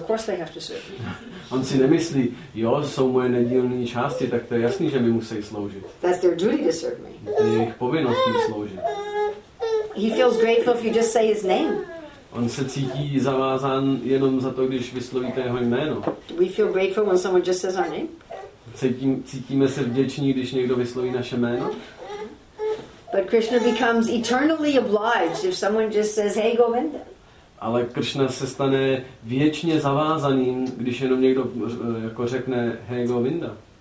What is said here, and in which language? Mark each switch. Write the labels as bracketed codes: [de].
[en] Of course they have to serve. [cs] On si nemyslí, jo, jsou moje nedílné části, tak to je jasný, že mi musí sloužit. [en] That's their duty to serve me. [cs] Je jejich povinnost mi sloužit. [en] He feels grateful if you just say his name. [cs] On se cítí zavázán jenom za to, když vyslovíte jeho jméno. [en] We feel grateful when someone just says our name. [cs] Cítíme se vděční, když někdo vysloví naše jméno. [en] But Krishna becomes eternally obliged if someone just says, hey, Govinda. [cs] Ale Krishna se stane věčně zavázaným, když jenom někdo jako řekne, hey, Govinda.